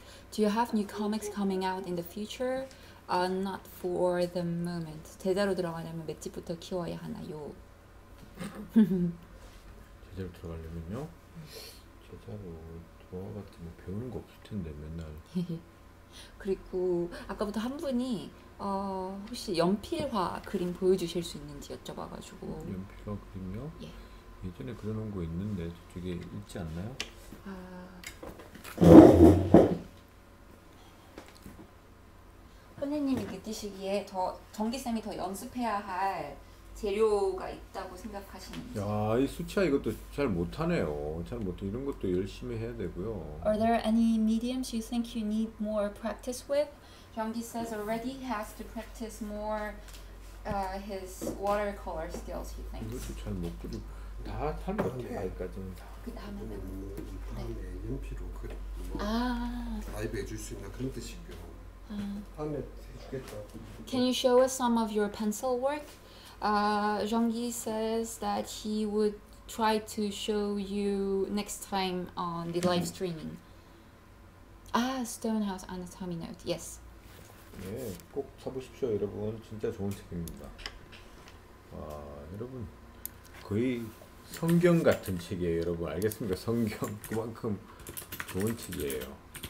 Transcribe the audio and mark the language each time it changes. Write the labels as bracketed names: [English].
[English] Do you have new comics coming out in the future? Not for the moment. [Korean] 제자로 들어가려면 몇 집부터 키워야 하나요? 제자로 들어가려면요? 제자로 들어가봤자 뭐 배우는 거 없을 텐데 맨날. 그리고 아까부터 한 분이 혹시 연필화 그림 보여주실 수 있는지 여쭤봐가지고 연필화 그림요? 예. 예전에 그려놓은 거 있는데 저쪽에 있지 않나요? 아 선생님이 느끼시기에 더 정기 쌤이 더 연습해야 할 재료가 있다고 생각하시는지. 야, 이 수채화 이것도 잘 못하네요. 잘 못해. 이런 것도 열심히 해야 되고요. [English] Are there any mediums you think you need more practice with? Jeonggi says already he has to practice more his watercolor skills, he thinks. [Korean] 이것도 잘 못 그리고 다 잘 못해, 아직까지는 다. 그 다음에는? 다음에 연필로 그리고 뭐 아. 라이브 해줄 수 있나 그런 뜻일게요. 다음에 해주겠다. [English] Can you show us some of your pencil work? Jeonggi says that he would try to show you next time on the live streaming. Stonehouse Anatomy Note. Yes. [Korean] 네, 꼭 사보십시오, 여러분. 진짜 좋은 책입니다. 아, 여러분 거의 성경 같은 책이에요, 여러분. 알겠습니까? 성경 그만큼 좋은 책이에요.